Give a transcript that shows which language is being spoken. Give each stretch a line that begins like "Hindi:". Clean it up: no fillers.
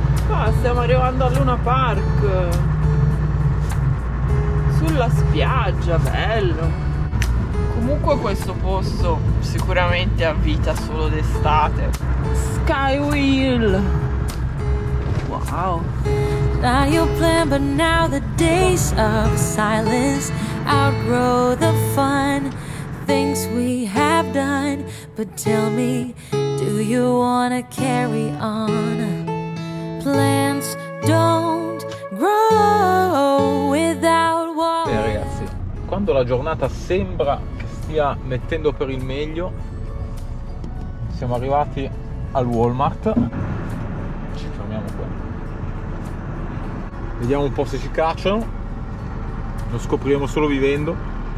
Italian: Ah, stiamo arrivando al Luna Park. Sulla spiaggia, bello. Comunque questo posto sicuramente ha vita solo d'estate.
English: Skywheel. Wow. Not your plan, but now the days of silence outgrow the fun things we have done. But tell me, do you wanna carry on? Plants don't grow without water.
Italian: Beh, ragazzi, quando la giornata sembra che stia mettendo per il meglio, siamo arrivati al Walmart. Ci fermiamo qua. Vediamo un po' se ci cacciano. Lo scopriremo solo vivendo.